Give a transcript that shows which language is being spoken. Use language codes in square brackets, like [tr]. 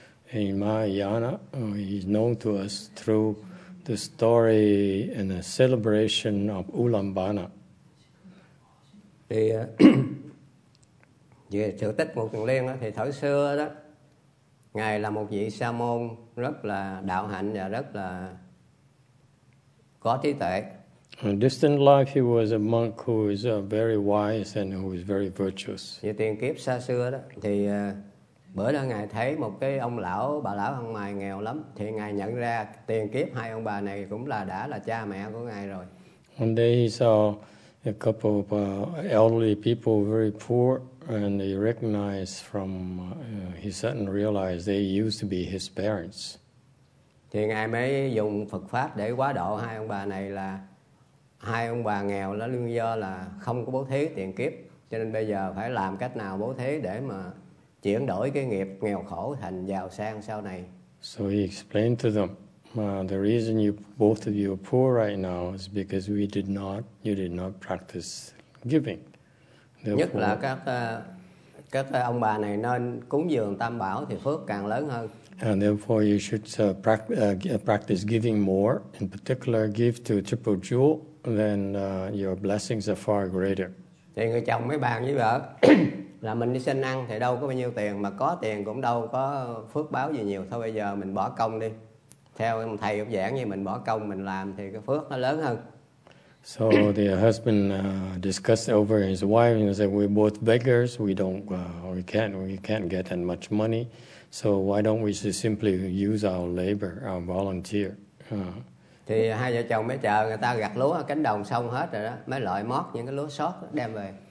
[en] And Mahayana, he's known to us through the story and the celebration of Ulambana. [vi] Thì về sự tích Mục Kiền Liên đó, thì thời xưa đó Ngài là một vị sa môn rất là đạo hạnh và rất là có trí tuệ. [en] In distant life he was a monk who is very wise and who is very virtuous. [vi] Về tiền kiếp xa xưa đó thì bữa đó Ngài thấy một cái ông lão bà lão ăn mày nghèo lắm, thì Ngài nhận ra tiền kiếp hai ông bà này cũng là đã là cha mẹ của Ngài rồi. [en] One day he saw a couple of elderly people very poor, and he recognized from he suddenly realized they used to be his parents. [vi] Thì Ngài mới dùng Phật pháp để quá độ hai ông bà này, là hai ông bà nghèo đó nguyên do là không có bố thí tiền kiếp, cho nên bây giờ phải làm cách nào bố thí để mà chuyển đổi cái nghiệp nghèo khổ thành giàu sang sau này. [en] So he explained to them, the reason you both of you are poor right now is because you did not practice giving. Therefore, [vi] nhất là các ông bà này nên cúng dường tam bảo thì phước càng lớn hơn. [en] And therefore you should practice giving more, in particular give to Triple Jewel, then your blessings are far greater. [vi] Thì người chồng mới bàn với vợ là mình đi xin ăn thì đâu có bao nhiêu tiền, mà có tiền cũng đâu có phước báo gì nhiều, thôi bây giờ mình bỏ công đi. Theo thầy cũng giảng như mình bỏ công mình làm thì cái phước nó lớn hơn. [en] So the husband discussed over his wife and said, we're both beggars, we can't get that much money. So why don't we just simply use our labor, our volunteer? [vi] Thì hai vợ chồng mới chờ người ta gặt lúa cánh đồng xong hết rồi đó, mới loại mót những cái lúa sót đem về.